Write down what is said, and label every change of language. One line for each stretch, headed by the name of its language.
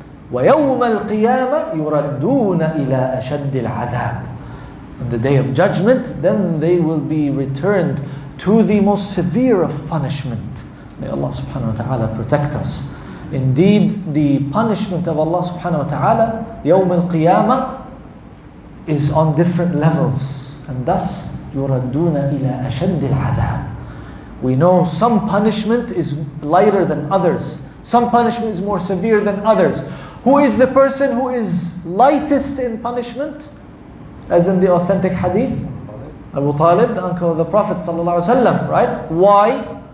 Arabic: وَيَوْمَ الْقِيَامَةِ يُرَدُّونَ إِلَىٰ أَشَدِّ الْعَذَابِ.
English: On the day of judgment, then they will be returned to the most severe of punishment. May Allah subhanahu wa ta'ala protect us. Indeed, the punishment of Allah subhanahu wa ta'ala,
Arabic: يَوْمَ الْقِيَامَةِ,
English: is on different levels. And thus,
Arabic: يُرَدُّونَ إِلَىٰ أَشَدِّ الْعَذَابِ.
English: We know some punishment is lighter than others. Some punishment is more severe than others. Who is the person who is lightest in punishment? As in the authentic hadith, Abu Talib, the uncle of the Prophet ﷺ, right? Why?